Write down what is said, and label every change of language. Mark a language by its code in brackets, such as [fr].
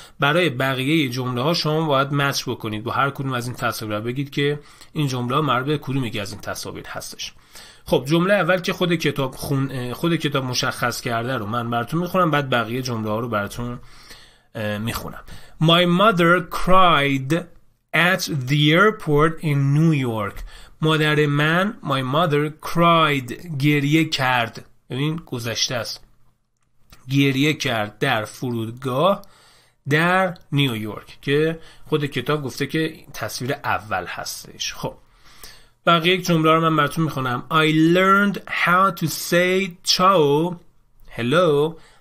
[fa] برای بقیه جمله ها شما باید مچ بکنید با هر کدوم از این تصاویر، بگید که این جمله ها مربوط به کدوم یکی از این تصاویر هستش. خب جمله اول که خود کتاب مشخص کرده رو من براتون میخونم، بعد بقیه جمله ها رو براتون میخونم. [en] My mother cried at the airport in New York. [fa] مادر من، [en] my mother cried، [fa] گریه کرد، ببین گذشته است، گریه کرد در فرودگاه در نیویورک، که خود کتاب گفته که تصویر اول هستش. خب بقیه یک جمله رو من براتون میخونم. [en] I learned how to say ciao hello